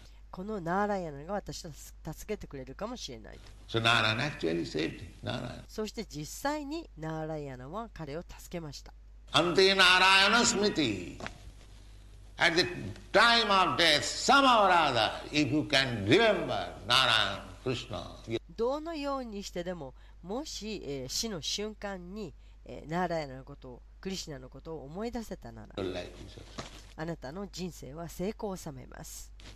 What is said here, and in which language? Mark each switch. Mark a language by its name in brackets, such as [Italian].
[Japanese] このナーライナが私を助けてくれるかもしれないと。 [English] So, Narayan actually saved Narayan. [Japanese] そして実際にナーライナは彼を助けました。 [Sanskrit] Ante Narayana Smriti. [English] At the time of death, somehow or other, if you can remember Narayan Krishna. [Japanese] どのようにしてでも、もし、死の瞬間に、ナーライナのことを、クリシナのことを思い出せたなら、あなたの人生は成功を収めます。